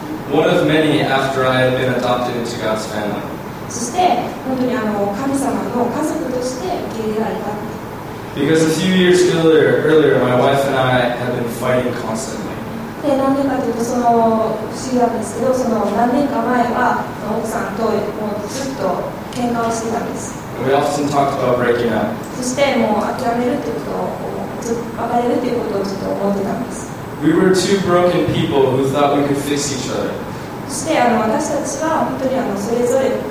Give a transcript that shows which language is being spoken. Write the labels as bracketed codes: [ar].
[en] One of many after I had been adopted into God's family. [ja] そして本当に神様の家族として受け入れられた。 [en] Because a few years earlier, my wife and I have been fighting constantly. [ja] で、何年かというとその不思議なんですけど、その何年か前は奥さんともうずっと喧嘩をしていたんです。 [en] And we often talked about breaking up. [ja] そしてもう諦めるということを、別れるということをずっと思ってたんです。 [en] We were two broken people who thought we could fix each other. [ja] そして私たちは本当にそれぞれ